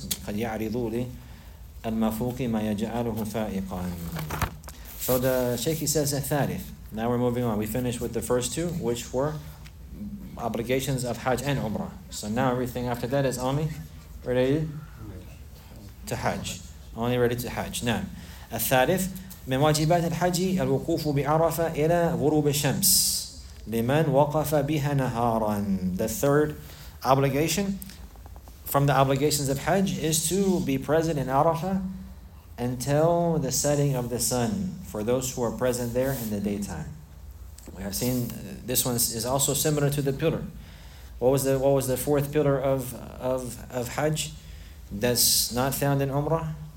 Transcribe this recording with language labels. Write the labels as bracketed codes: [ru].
[ar] قَدْ يَعْرِضُ لِلْمَفْضُورِ مَا يَجْعَلُهُ فَائِقًا. [en] So the Shaykh says الثالث. Now we're moving on. We finished with the first two, which were obligations of Hajj and Umrah. So now everything after that is only related to Hajj. Only related to Hajj. [ar] Now, الثالث من واجبات الحج الوقوف بعرفة إلى غروب الشمس لمن وقف بها نهارا. [en] The third obligation from the obligations of Hajj is to be present in Arafah until the setting of the sun for those who are present there in the daytime. We have seen this one is also similar to the pillar. What was the fourth pillar of Hajj that's not found in Umrah?